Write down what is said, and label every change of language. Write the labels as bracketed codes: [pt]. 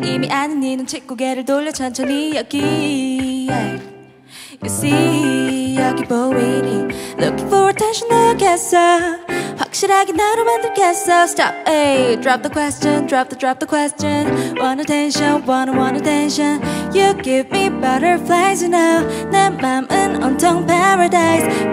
[ko] 이미 아는 네 눈치 고개를 돌려 천천히 여기. [en] You see, [ko] 여기 보이니. [en] Looking for attention, [ko] 알겠어. 확실하게 나로 만들겠어. [en] Stop, ay. Drop the question, drop the question. Want attention, want attention. You give me butterflies, you know. [ko] 내 맘은 온통 paradise.